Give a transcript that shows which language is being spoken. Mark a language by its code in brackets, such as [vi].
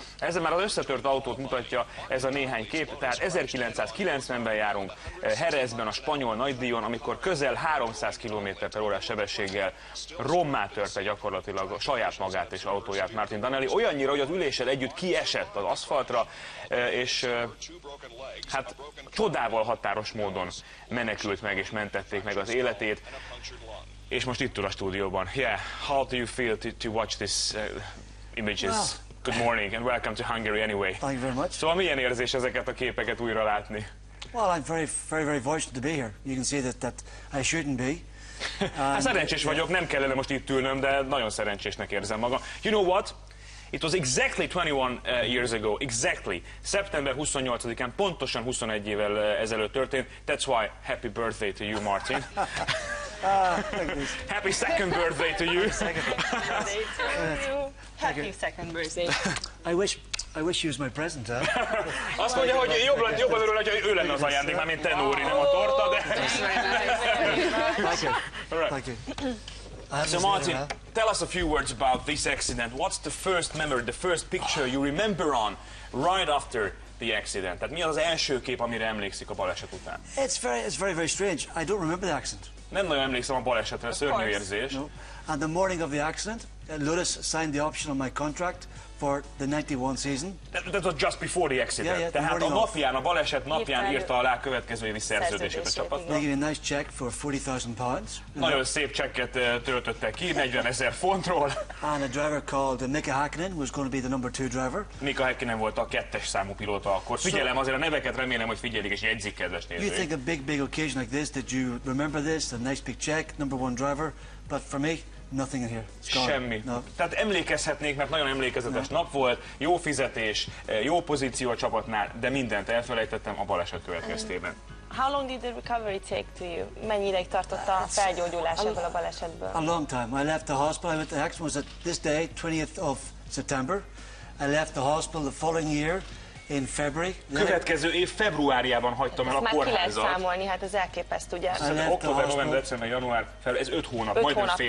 [hu] Ezzel már az összetört autót mutatja ez a néhány kép. Tehát 1990-ben járunk Jerezben a spanyol nagydíjon, amikor közel 300 km/h sebességgel rommá törte gyakorlatilag a saját magát és autóját Martin Donnelly. Olyannyira, hogy az üléssel együtt kiesett az aszfaltra, és hát csodával határos módon menekült meg és mentették meg az életét. És most itt ül a stúdióban. [en] Yeah, how do you feel to watch this images? Well, good morning and welcome to Hungary anyway. Thank you very much. [hu] Szóval milyen érzés ezeket a képeket újra látni? [en] Well, I'm very, very, very fortunate to be here. You can see that I shouldn't be. [hu] Hát szerencsés vagyok, nem kellene most itt ülnöm, de nagyon szerencsésnek érzem magam. [en] You know what? It was exactly 21 years ago, exactly. [hu] September 28-án, pontosan 21 évvel ezelőtt történt. [en] That's why happy birthday to you, Martin. Happy second birthday to you. I wish you was my present, huh? [hu] Azt mondja, hogy jobban örül, hogy ő lenne az ajándék, mármint te, Nóri, nem a torta, de... [en] Thank you. So Martin, tell us a few words about this accident. What's the first memory, the first picture you remember on right after the accident? [hu] Tehát mi az első kép, amire emlékszik a baleset után? [en] It's very strange. I don't remember the accident. [hu] Nem nagyon emlékszem a balesetre, szörnyű érzés. [en] No. And the morning of the accident, Lotus signed the option on my contract for the 91 season. That was just before the accident. Yeah, [hu] a napján, a baleset napján írta alá a következő évi szerződését a csapatnak. [en] They gave a nice check for 40,000 pounds. [hu] Nagyon szép csekket töltöttek ki, 40,000 fontról. [en] And a driver called Mika Häkkinen was going to be the number two driver. [hu] Mika Häkkinen volt a kettes számú pilóta akkor. Figyelem, azért a neveket remélem, hogy figyelik és jegyzik, kedves nézőink. [en] You think a big occasion like this, did you remember this? A nice big check, number one driver. But for me, nothing in here. [hu] Semmi. [en] No. [hu] Tehát emlékezhetnék, mert nagyon emlékezetes nap volt, jó fizetés, jó pozíció a csapatnál, de mindent elfelejtettem a baleset következtében. [en] How long did the recovery take to you? [hu] Mennyi ideig tartott a felgyógyulás ebből a balesetből? [en] A long time. I left the hospital. I went to the accident. It was at this day, 20th of September. I left the hospital the following year. In February. [hu] Következő év februárjában hagytam el a kórházat. Ezt már ki lehet számolni, hát ez elképeszt, ugye? Október, november, december, január, február, ez 5 hónap, majdnem fél év.